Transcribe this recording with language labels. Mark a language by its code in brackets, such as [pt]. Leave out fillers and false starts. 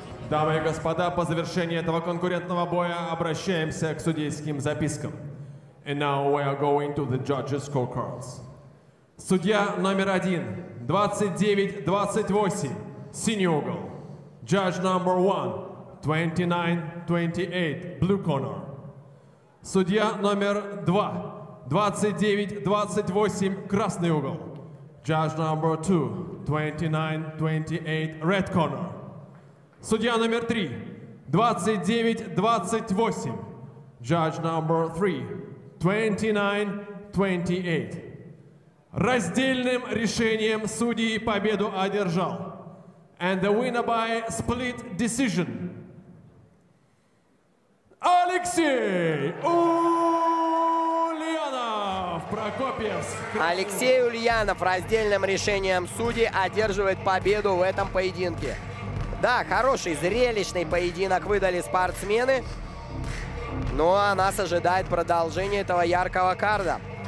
[ru] Дамы и господа, по завершении этого конкурентного боя обращаемся к судейским запискам. [en] And now we are going to the judges' scorecards. [ru] Судья номер один, 29-28, синий угол. [en] Judge number one, 29-28, blue corner. [ru] Судья номер два, 29-28, красный угол. [en] Judge number two, 29-28, red corner. [ru] Судья номер три, 29-28. [en] Judge number three, 29-28. [ru] Раздельным решением судьи победу одержал. [en] And the winner by split decision. [ru] Алексей Ульянов, Прокопьевск. Алексей Ульянов раздельным решением судьи одерживает победу в этом поединке. Да, хороший, зрелищный поединок выдали спортсмены. Ну, а нас ожидает продолжение этого яркого карда.